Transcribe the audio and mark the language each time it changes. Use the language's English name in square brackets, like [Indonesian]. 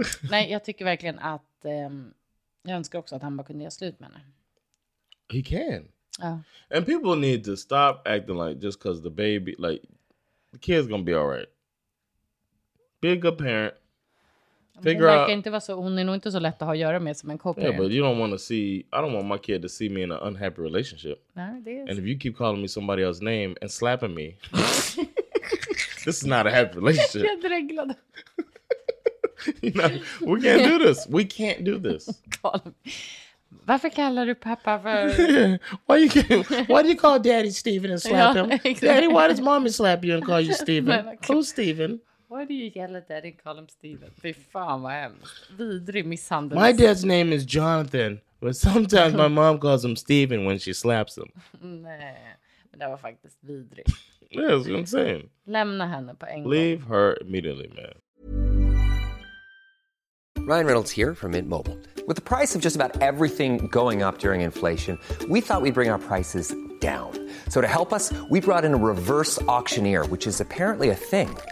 [Swedish] nej, jag tycker verkligen att jag önskar också att han bara kunde göra slut med henne. [English] He can. [Swedish] Ja. [English] And people need to stop acting like just because the baby, like, the kid's gonna be all right. Be a good parent. [Swedish] Hon är nog inte så lätt att ha att göra med som en co-parent. [English] Yeah, but you don't want to see, I don't want my kid to see me in an unhappy relationship. [Swedish] Nej, det är. [English] And if you keep calling me somebody else's name and slapping me, this is not a happy relationship. [Swedish] Jag är glad. [English] We can't do this. We can't do this. [Swedish] Varför kallar du pappa för? [English] Why do you call daddy Steven and slap him? Daddy, why does mommy slap you and call you Steven? Who's Steven? Why do you yell at daddy and call him Steven? [Swedish] Fy fan vad hemskt. Vidrig misshandel. [English] My dad's name is Jonathan, but sometimes my mom calls him Steven when she slaps him. [Swedish] Nej, men det var faktiskt vidrig. [English] Yeah, that's insane. [Swedish] Lämna henne på en gång. [English] Leave her immediately, man. Ryan Reynolds here from Mint Mobile. With the price of just about everything going up during inflation, we thought we'd bring our prices down. So to help us, we brought in a reverse auctioneer, which is apparently a thing.